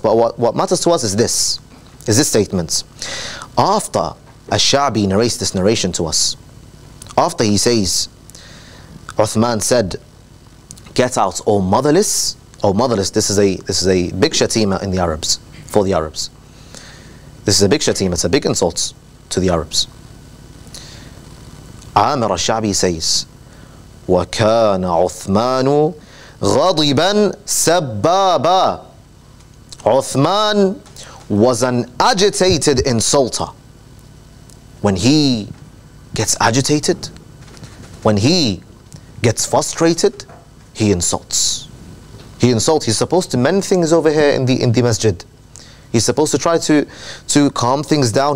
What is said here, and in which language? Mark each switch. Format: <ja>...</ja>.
<en>But what matters to us is this. Is this statement. After al-Sha'bi narrates this narration to us, after he says, Uthman said, get out, O motherless. O motherless, this is a big shatima in the Arabs, for the Arabs. This is a big shatima, it's a big insult to the Arabs. Amir al-Sha'bi says,</en> <ar>وَكَانَ عُثْمَانُ غَضِبًا سَبَّابًا.</ar> <en>Uthman was an agitated insulter. When he gets agitated, when he gets frustrated, he insults. He insults. He's supposed to mend things over here in the masjid. He's supposed to try to calm things down.</en>